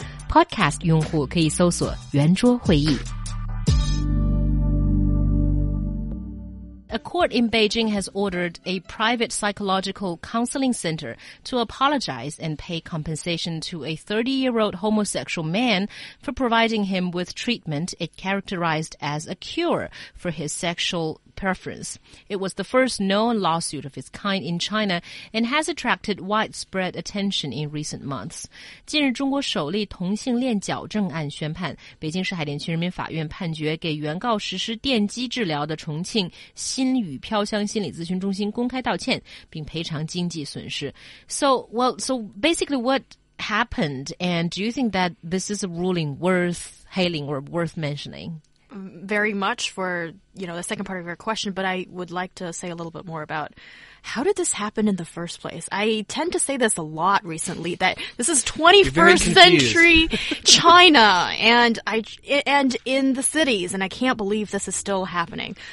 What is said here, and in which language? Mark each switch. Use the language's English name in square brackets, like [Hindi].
[Chinese] Podcast 用户可以搜索圆桌会议。 [English] A court in Beijing has ordered a private psychological counseling center to apologize and pay compensation to a 30-year-old homosexual man for providing him with treatment it characterized as a cure for his sexual preference. It was the first known lawsuit of its kind in China and has attracted widespread attention in recent months. [Chinese] 近日，中国首例同性恋矫正案宣判，北京市海淀区人民法院判决给原告实施电击治疗的重庆心语飘香心理咨询中心公开道歉，并赔偿经济损失。 [English] So basically what happened, and do you think that this is a ruling worth hailing or worth mentioning? Very much for, you know, the second part of your question, but I would like to say a little bit more about how did this happen in the first place? I tend to say this a lot recently, that this is 21st century China, and in the cities, and I can't believe this is still happening.